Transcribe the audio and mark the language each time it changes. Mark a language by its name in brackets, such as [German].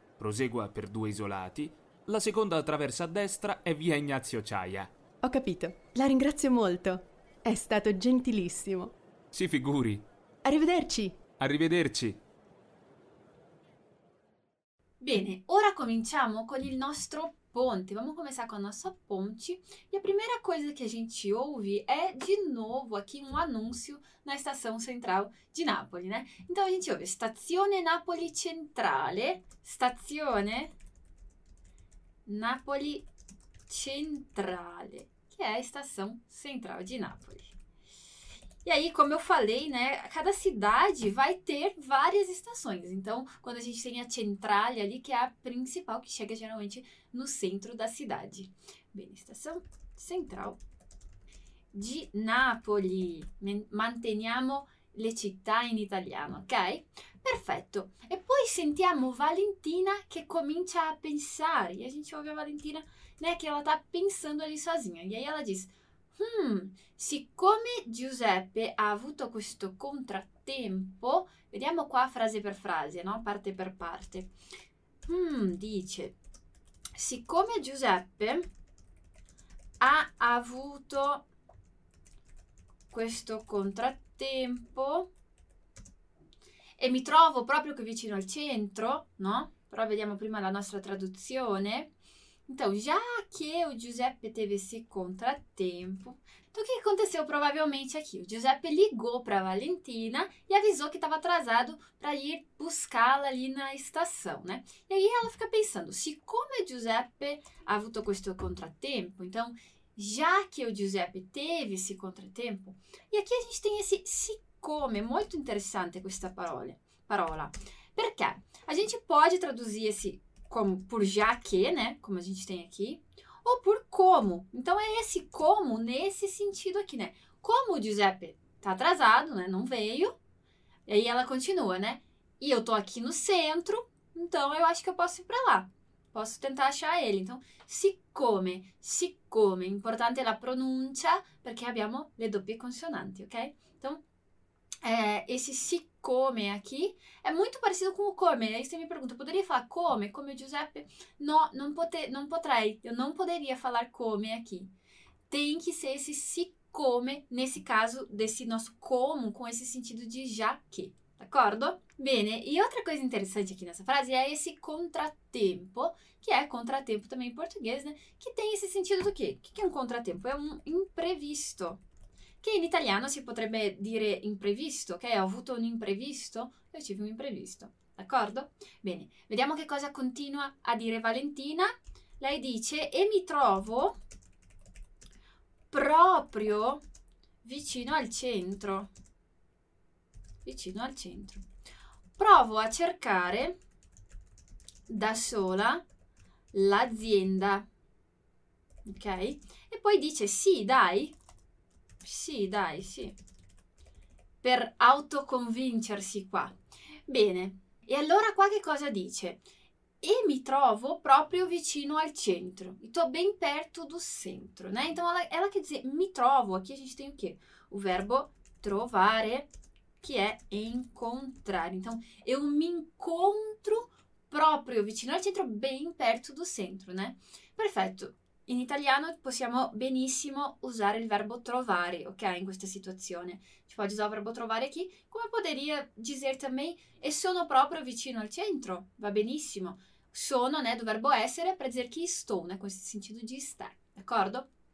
[Italian] Prosegua per due isolati. La seconda attraversa a destra è via Ignazio Ciaia. Ho capito, la ringrazio molto. È stato gentilissimo. Si figuri. Arrivederci. Arrivederci. Bene, ora cominciamo con il nostro ponte. [Portuguese] Vamos começar com o nosso ponte. E a primeira coisa que a gente ouve é, de novo, aqui um anúncio na estação central de Napoli, né? Então a gente ouve: Stazione Napoli Centrale. Stazione Napoli Centrale, que é a estação central de Napoli. E aí, como eu falei, né, cada cidade vai ter várias estações. Então, quando a gente tem a centrale ali, que é a principal, que chega geralmente no centro da cidade. Bem, estação central de Napoli. [Italian] Manteniamo le città in italiano, ok? Perfetto. E poi sentiamo Valentina che comincia a pensare. [Portuguese] E a gente ouve a Valentina, né, che ela tá pensando ali sozinha. E aí ela diz: [Italian] siccome Giuseppe ha avuto questo contrattempo, vediamo qua frase per frase, no? Parte per parte. Dice: siccome Giuseppe ha avuto questo contrattempo e mi trovo proprio qui vicino al centro, no? Però vediamo prima la nostra traduzione. [Portuguese] Então, já que o Giuseppe teve esse contratempo, então o que aconteceu provavelmente aqui? O Giuseppe ligou para Valentina e avisou que estava atrasado para ir buscá-la ali na estação, né? E aí ela fica pensando: [Italian] siccome Giuseppe ha avuto questo contratempo, [Portuguese] então já que o Giuseppe teve esse contratempo, e aqui a gente tem esse siccome, [Italian] molto interessante questa parola. [Portuguese] Perché a gente pode traduzir esse como por já que, né? Como a gente tem aqui. Ou por como. Então é esse como nesse sentido aqui, né? Como o Giuseppe tá atrasado, né? Não veio. E aí ela continua, né? E eu tô aqui no centro, então eu acho que eu posso ir para lá. Posso tentar achar ele. [Italian] Então, siccome, importante la pronuncia, perché abbiamo le doppie consonanti, ok? Então, [Portuguese] Esse siccome aqui é muito parecido com o come. Aí você me pergunta, poderia falar come, come Giuseppe? [Italian] No, non pote, non potrei, [Portuguese] eu não poderia falar come aqui. Tem que ser esse siccome, nesse caso desse nosso como, com esse sentido de já que. D'accordo? Bene, e outra coisa interessante aqui nessa frase é esse contratempo, que é contratempo também em português, né? Que tem esse sentido do quê? O que é um contratempo? É um imprevisto. [Italian] Che in italiano si potrebbe dire imprevisto, ok? Ho avuto un imprevisto? Io tive un imprevisto, d'accordo? Bene, vediamo che cosa continua a dire Valentina. Lei dice: e mi trovo proprio vicino al centro. Vicino al centro. Provo a cercare da sola l'azienda. Ok? E poi dice: sì, dai. Sì, dai, sì. Per autoconvincersi qua. Bene, e allora qua che cosa dice? E mi trovo proprio vicino al centro. [Portuguese] Estou bem perto do centro, né? Então ela quer dizer [Italian] mi trovo. [Portuguese] Aqui a gente tem o quê? O verbo trovare, que é encontrar. Então eu me encontro [Italian] proprio vicino al centro, [Portuguese] bem perto do centro, né? [Italian] Perfetto. In italiano possiamo benissimo usare il verbo trovare, ok? In questa situazione. Ci puoi usare il verbo trovare qui, come poteria dire também e sono proprio vicino al centro. Va benissimo. Sono, né, do verbo essere, per dire chi sto, né, questo sentido di stare, d'accordo?